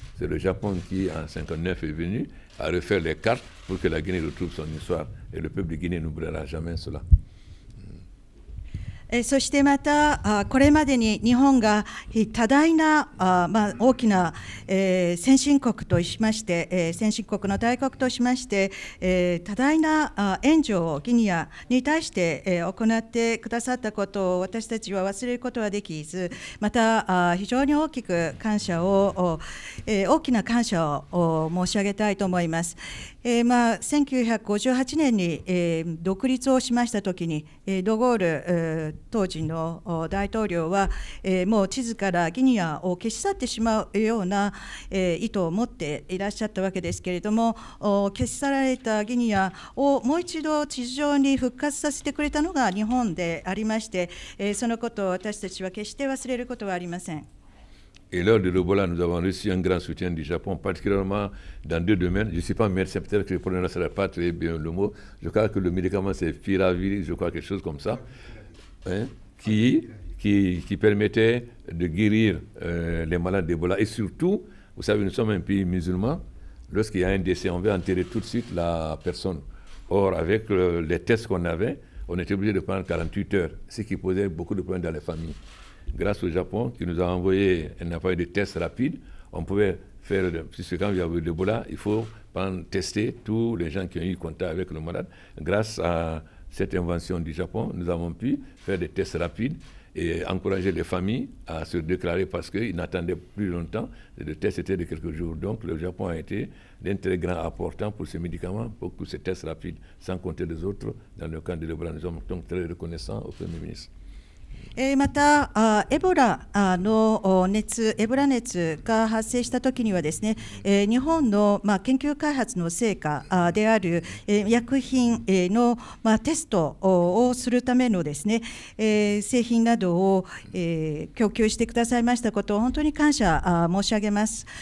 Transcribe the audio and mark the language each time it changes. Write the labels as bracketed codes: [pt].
[fr] C'est le Japon qui, en 59, est venu à refaire les cartes pour que la Guinée retrouve son histoire. Et le peuple de Guinée n'oubliera jamais cela. [ja] そしてまたこれまでに日本が多大な大きな先進国としまして、先進国の大国としまして、多大な援助をギニアに対して行ってくださったことを私たちは忘れることはできず、また非常に大きく感謝を大きな感謝を申し上げたいと思います。 1958年に独立をしましたときに、ドゴール当時の大統領はもう地図からギニアを消し去ってしまうような意図を持っていらっしゃったわけですけれども、消し去られたギニアをもう一度地図上に復活させてくれたのが日本でありまして、そのことを私たちは決して忘れることはありません。 [fr] Et lors de l'Ebola, nous avons reçu un grand soutien du Japon, particulièrement dans deux domaines. Je ne suis pas médecin, peut-être que je ne prononcerai pas très bien le mot. Je crois que le médicament, c'est Firavir, je crois quelque chose comme ça, hein, qui permettait de guérir les malades d'Ebola. Et surtout, vous savez, nous sommes un pays musulman. Lorsqu'il y a un décès, on veut enterrer tout de suite la personne. Or, avec les tests qu'on avait, on était obligé de prendre 48 heures, ce qui posait beaucoup de problèmes dans les familles. Grâce au Japon qui nous a envoyé un appareil de test rapide, on pouvait faire, puisque quand il y avait l'Ebola, il faut tester tous les gens qui ont eu contact avec le malade. Grâce à cette invention du Japon, nous avons pu faire des tests rapides et encourager les familles à se déclarer parce qu'ils n'attendaient plus longtemps. Le test était de quelques jours. Donc le Japon a été d'un très grand apportant pour ces médicaments, pour ces tests rapides, sans compter les autres. Dans le cas de l'Ebola, nous sommes donc très reconnaissants au Premier ministre. [ja] またエボラの熱、エボラ熱が発生したときにはですね、日本の研究開発の成果である薬品のテストをするためのですね、製品などを供給してくださいましたことを本当に感謝申し上げます。